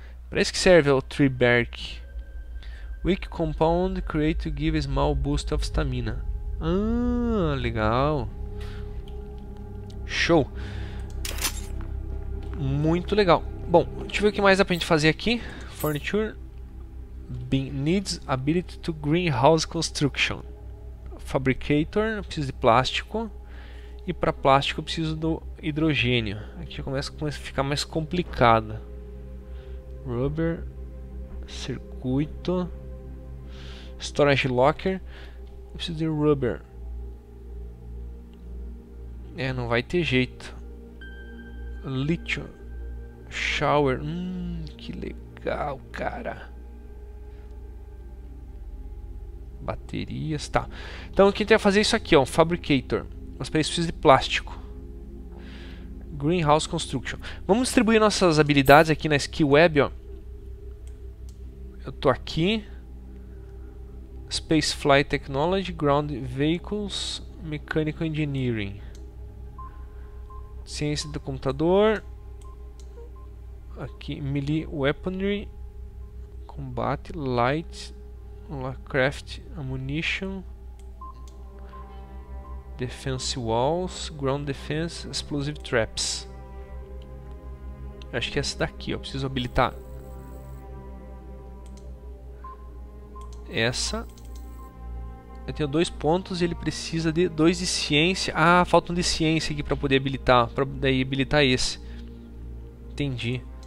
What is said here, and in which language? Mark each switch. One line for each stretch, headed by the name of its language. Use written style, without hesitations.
Portuguese: Para isso que serve o tree bark.
English: Weak compound create to give a small boost of stamina.
Portuguese: Legal. Show. Muito legal. Bom, deixa eu ver o que mais dá pra gente fazer aqui.
English: Furniture. Bin. Needs ability to greenhouse construction.
Portuguese: Fabricator. Preciso de plástico. E para plástico eu preciso do hidrogênio. Aqui já começa a ficar mais complicado. Rubber. Circuito. Storage locker. Eu preciso de rubber. É, não vai ter jeito. Lítio. Shower, que legal, cara. Baterias, tá. Então quem tem que fazer isso aqui, ó, um fabricator. Mas para isso precisa de plástico.
English: Greenhouse construction.
Portuguese: Vamos distribuir nossas habilidades aqui na Skill Web, ó. Eu tô aqui.
English: Space Flight Technology, Ground Vehicles, Mechanical Engineering.
Portuguese: Ciência do computador. Aqui,
English: melee weaponry,
Portuguese: combate,
English: light, craft, ammunition, defense walls, ground defense, explosive traps.
Portuguese: Acho que é essa daqui, eu preciso habilitar essa Eu tenho 2 pontos e ele precisa de 2 de ciência. Ah, falta um de ciência aqui para poder habilitar. Para daí habilitar esse. Entendi.